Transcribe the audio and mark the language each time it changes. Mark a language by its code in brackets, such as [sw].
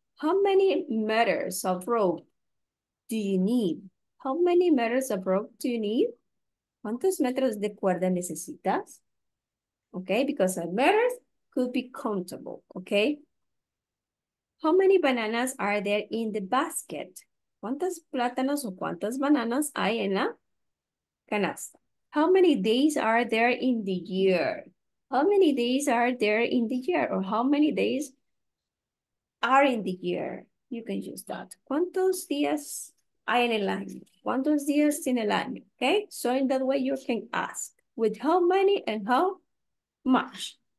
[en] How many meters of rope do you need? How many meters of rope do you need? [es] ¿Cuántos metros de cuerda necesitas? [en] Okay, because a meter could be countable, okay? How many bananas are there in the basket? [es] ¿Cuántos plátanos o cuántas bananas hay en la canasta? [en] How many days are there in the year? How many days are there in the year? Or how many days are in the year? You can use that. [es] ¿Cuántos días hay en el año? ¿Cuántos días en el año? [en] Okay, so in that way you can ask with how many and how much.